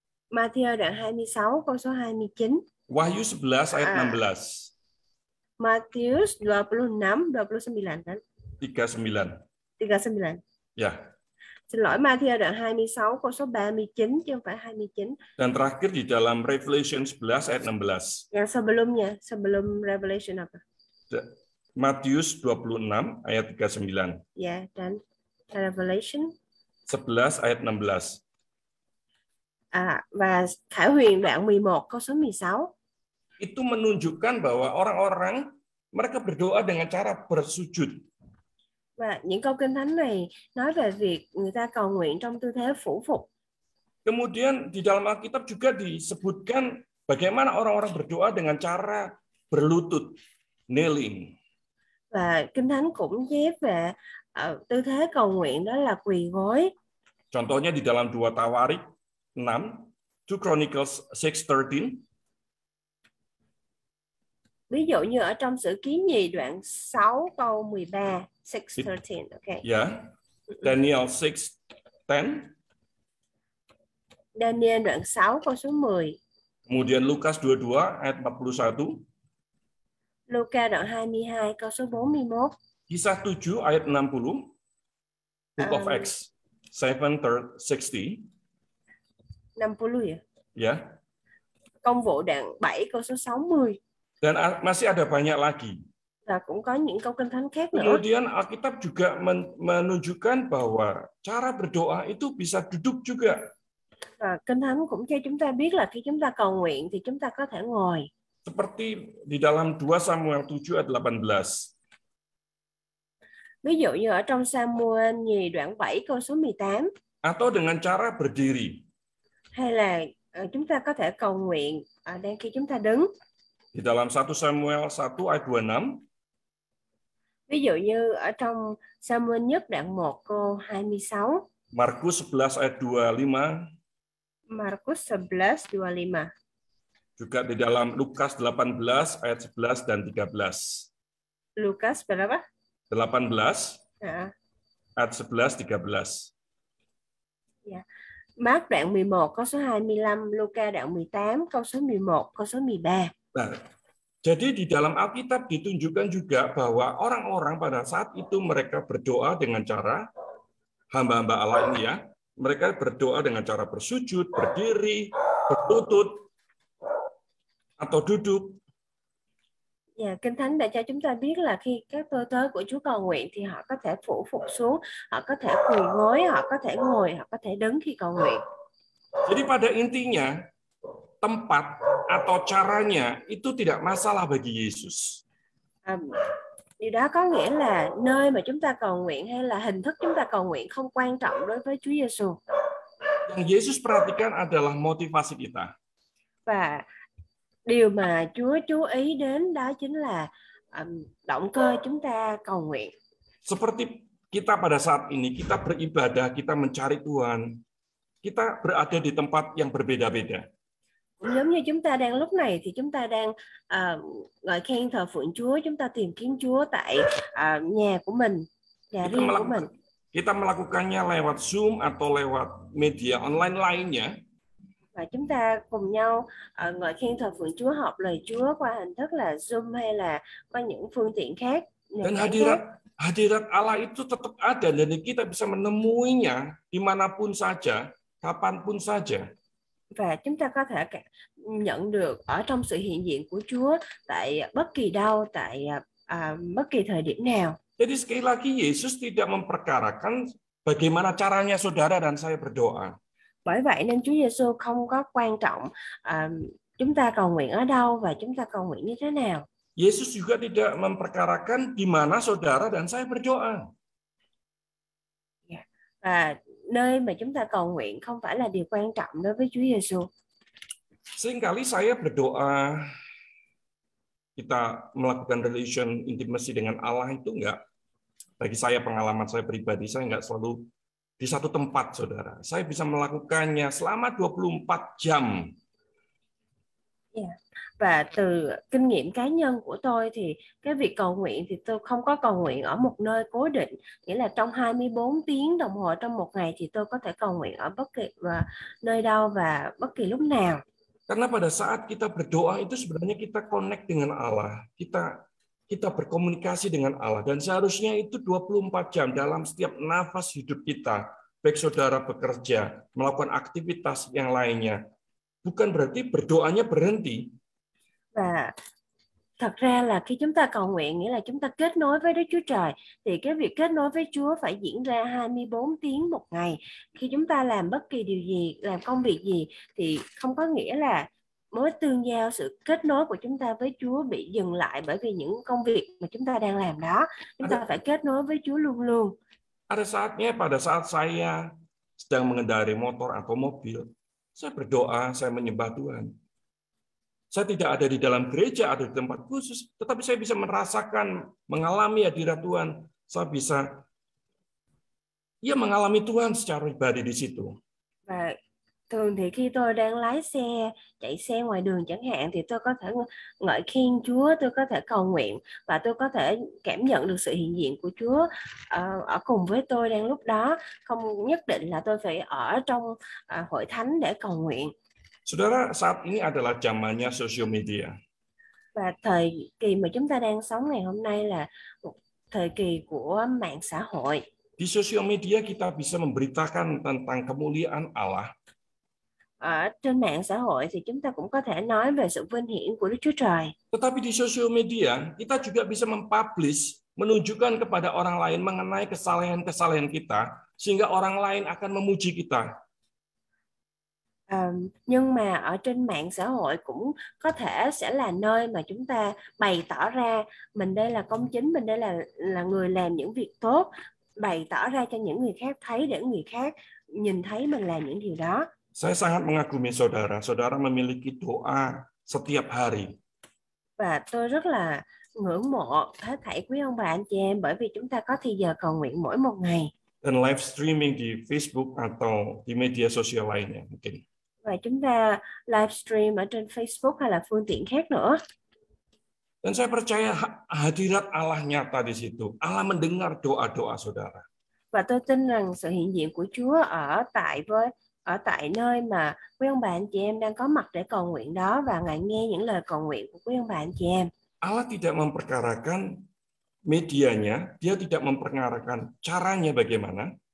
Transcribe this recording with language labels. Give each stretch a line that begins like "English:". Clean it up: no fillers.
Vietnamese: Matthew đoạn 26 câu số 29.
Indonesian: Wahyu 11 ayat 16. Matius 26 29 kan? 39. 39. Ya.
English: Yeah.
Vietnamese: Xin lỗi Matthew đoạn 26 câu số 39 chứ không phải 29.
Indonesian: Dan terakhir di dalam Revelation 11 ayat 16. Yang sebelumnya, sebelum Revelation apa? Matius 26 ayat 39. Ya,
English: yeah,
Indonesian: dan Revelation 11 ayat 16.
Vietnamese: Và Khải Huyền đoạn 11 câu số 16.
Indonesian: Itu menunjukkan bahwa orang-orang mereka berdoa dengan cara bersujud.
Vietnamese: Và những câu kinh thánh này nói về việc người ta cầu nguyện trong tư thế phủ phục.
Indonesian: Kemudian di dalam Alkitab juga disebutkan bagaimana orang-orang berdoa dengan cara berlutut, kneeling.
Vietnamese: Và kinh thánh cũng chép về tư thế cầu nguyện đó là quỳ gối.
Indonesian: Contohnya di dalam Dua Tawarik 6,
English: 2 Chronicles 6:13.
Vietnamese: Ví dụ như ở trong Sử ký nhì đoạn 6 câu 13, 6:13, okay.
English: Yeah. Daniel 6:10.
Vietnamese: Daniel đoạn 6 câu số 10.
Indonesian: Kemudian Lukas 22 ayat 41.
Vietnamese: Luka đoạn 22 câu số 41.
Indonesian: Kisah 7 ayat 60.
English: Book of Acts 7:60.
Indonesian: 60 ya. Ya.
Vietnamese: Công vụ đoạn 7 câu số 60.
Indonesian: Dan masih ada banyak lagi.
Vietnamese: Và cũng có những câu kinh thánh khác nữa.
Indonesian: Kemudian Alkitab juga menunjukkan bahwa cara berdoa itu bisa duduk juga.
Vietnamese: Và kinh thánh cũng cho chúng ta biết là khi chúng ta cầu nguyện thì chúng ta có thể ngồi.
Indonesian: Seperti di dalam 2 Samuel 7 ayat 18.
Vietnamese: Ví dụ như ở trong Samuel nhì đoạn 7 câu số 18.
Indonesian: Atau dengan cara berdiri.
Vietnamese: Hay là chúng ta có thể cầu nguyện đang khi chúng ta đứng.
Indonesian: Di dalam 1 Samuel 1 ayat 26.
Vietnamese: Ví dụ như ở trong Samuel nhất đoạn 1 câu 26.
Indonesian: Markus 11 ayat 25. Markus 11 ayat 25. Juga di dalam Lukas 18 ayat 11 dan 13. Lukas berapa? 18. Heeh. Ayat 11 13. Ya.
English: Yeah.
Vietnamese: Mark đoạn 11 câu số 25, Luca đoạn 18 câu số 11, câu số 13.
Indonesian: Nah, jadi di dalam Alkitab ditunjukkan juga bahwa orang-orang pada saat itu mereka berdoa dengan cara hamba-hamba Allah ini ya. Mereka berdoa dengan cara bersujud, berdiri, berlutut atau duduk.
Vietnamese: Ya, Kinh Thánh đã cho chúng ta biết là khi các tôi tớ của Chúa cầu nguyện thì họ có thể phủ phục xuống, họ có thể quỳ gối, họ có thể ngồi, họ có thể đứng khi cầu nguyện.
Indonesian: Jadi pada intinya, tempat atau caranya itu tidak masalah bagi Yesus.
Vietnamese: Điều đó có nghĩa là nơi mà chúng ta cầu nguyện hay là hình thức chúng ta cầu nguyện không quan trọng đối với Chúa Giêsu.
Indonesian: Yang Yesus perhatikan adalah motivasi kita.
Vietnamese: Và điều mà Chúa chú ý đến đó chính là động cơ chúng ta cầu nguyện.
Indonesian: Seperti kita pada saat ini, kita beribadah, kita mencari Tuhan, kita berada di tempat yang berbeda-beda.
Vietnamese: Giống như chúng ta đang lúc này thì chúng ta đang ngợi khen thờ phượng Chúa, chúng ta tìm kiếm Chúa tại nhà của mình, nhà riêng của mình.
Indonesian: Kita melakukannya lewat Zoom atau lewat media online lainnya.
Vietnamese: Và chúng ta cùng nhau ngợi khen thờ phượng Chúa, học lời Chúa qua hình thức là Zoom hay là qua những phương tiện khác.
Indonesian: Dan hadirat Allah itu tetap ada dan kita bisa menemuinya dimanapun saja, kapanpun saja.
Vietnamese: Và chúng ta có thể nhận được ở trong sự hiện diện của Chúa tại bất kỳ đâu, tại bất kỳ thời điểm nào.
Indonesian: Jadi sekali lagi Yesus tidak memperkarakan bagaimana caranya saudara dan saya berdoa.
Vietnamese: Bởi vậy nên Chúa Giêsu không có quan trọng chúng ta cầu nguyện ở đâu và chúng ta cầu nguyện như thế nào.
Indonesian: Yesus juga tidak memperkarakan di mana saudara dan saya berdoa.
Vietnamese: Và nơi mà chúng ta cầu nguyện không phải là điều quan trọng đối với Chúa Giêsu.
Indonesian: Seringkali saya berdoa, kita melakukan
English: relation intimacy
Indonesian: dengan Allah itu enggak, bagi saya, pengalaman saya pribadi, saya enggak selalu di satu tempat, saudara. Saya bisa melakukannya selama 24 jam.
Vietnamese: Và từ kinh nghiệm cá nhân của tôi thì cái việc cầu nguyện thì tôi không có cầu nguyện ở một nơi cố định, nghĩa là trong 24 tiếng đồng hồ trong một ngày thì tôi có thể cầu nguyện ở bất kỳ nơi đâu và bất kỳ lúc nào.
Indonesian: Karena pada saat kita berdoa itu sebenarnya kita connect dengan Allah, kita berkomunikasi dengan Allah, dan seharusnya itu 24 jam dalam setiap nafas hidup kita, baik saudara bekerja, melakukan aktivitas yang lainnya, bukan berarti berdoanya berhenti.
Vietnamese: Và thật ra là khi chúng ta cầu nguyện, nghĩa là chúng ta kết nối với Đức Chúa Trời, thì cái việc kết nối với Chúa phải diễn ra 24 tiếng một ngày. Khi chúng ta làm bất kỳ điều gì, làm công việc gì, thì không có nghĩa là mối tương giao, sự kết nối của chúng ta với Chúa bị dừng lại bởi vì những công việc mà chúng ta đang làm đó. Chúng ta phải kết nối với Chúa luôn luôn.
Indonesian: Ada saatnya pada saat saya sedang mengendarai motor atau mobil, saya berdoa, saya menyembah Tuhan. Saya tidak ada di dalam gereja atau di tempat khusus, tetapi saya bisa merasakan, mengalami hadirat Tuhan. Saya bisa mengalami Tuhan secara pribadi di situ.
Vietnamese: Và thường thì khi tôi đang lái xe, chạy xe ngoài đường chẳng hạn, thì tôi có thể ngợi khen Chúa, tôi có thể cầu nguyện và tôi có thể cảm nhận được sự hiện diện của Chúa ở cùng với tôi đang lúc đó. Không nhất định là tôi phải ở trong hội thánh để cầu nguyện.
Indonesian: Saudara, saat ini adalah zamannya social media.
Vietnamese: Và thời kỳ mà chúng ta đang sống ngày hôm nay là một thời kỳ của mạng xã hội.
Indonesian: Di social media kita bisa memberitakan tentang kemuliaan Allah.
Vietnamese: Ở trên mạng xã hội thì chúng ta cũng có thể nói về sự vinh hiển của Đức Chúa Trời.
Indonesian: Tetapi di social media kita juga bisa mempublish, menunjukkan kepada orang lain mengenai kesalahan-kesalahan kita, sehingga orang lain akan memuji kita.
Vietnamese: Nhưng mà ở trên mạng xã hội cũng có thể sẽ là nơi mà chúng ta bày tỏ ra mình đây là công chính, mình đây là người làm những việc tốt, bày tỏ ra cho những người khác thấy để người khác nhìn thấy mình làm những điều đó.
Indonesian: Saya sangat mengagumi saudara. Saudara memiliki doa setiap hari.
Vietnamese: Và tôi rất là ngưỡng mộ hết thảy quý ông bà anh chị em bởi vì chúng ta có thời giờ cầu nguyện mỗi một ngày.
Indonesian: Dan live streaming di Facebook atau di media sosial lainnya mungkin.
Vietnamese: Và chúng ta live stream ở trên Facebook hay là phương tiện khác nữa.
Indonesian: Dan saya percaya hadirat Allah nyata di situ. Allah mendengar doa-doa saudara.
Vietnamese: Và tôi tin rằng sự hiện diện của Chúa ở tại nơi mà quý ông bà anh chị em đang có mặt để cầu nguyện đó và Ngài nghe những lời cầu nguyện của quý ông bà anh chị em.
Indonesian: Allah tidak memperkarakan medianya, dia tidak memperkarakan caranya bagaimana.